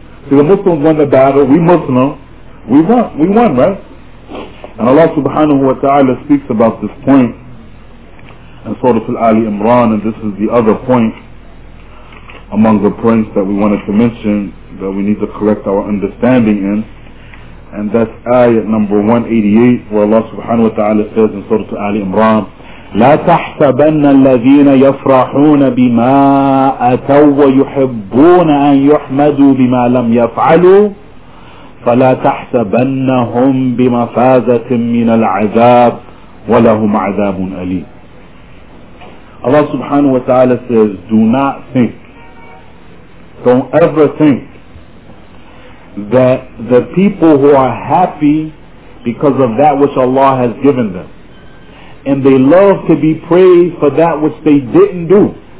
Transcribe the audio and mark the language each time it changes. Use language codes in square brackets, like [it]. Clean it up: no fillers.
[en] See, the Muslims won the battle. We Muslim. We won. We won, right? And Allah subhanahu wa ta'ala speaks about this point in Surah Al-Ali Imran, and this is the other point among the points that we wanted to mention that we need to correct our understanding in. And that's ayat number 188, where Allah subhanahu wa ta'ala says in Surah Al-Ali Imran, [ar] لَا تَحْسَبَنَّ الَّذِينَ يَفْرَحُونَ بِمَا أَتَوْ وَيُحِبُّونَ أَنْ يُحْمَدُوا بِمَا لَمْ يَفْعَلُوا فَلَا تَحْسَبَنَّهُمْ بِمَفَازَةٍ مِّنَ الْعَذَابِ وَلَهُمْ عَذَابٌ أَلِيمٌ. [en] Allah subhanahu wa ta'ala says, do not think, don't ever think that the people who are happy because of that which Allah has given them, and they love to be praised for that which they didn't do,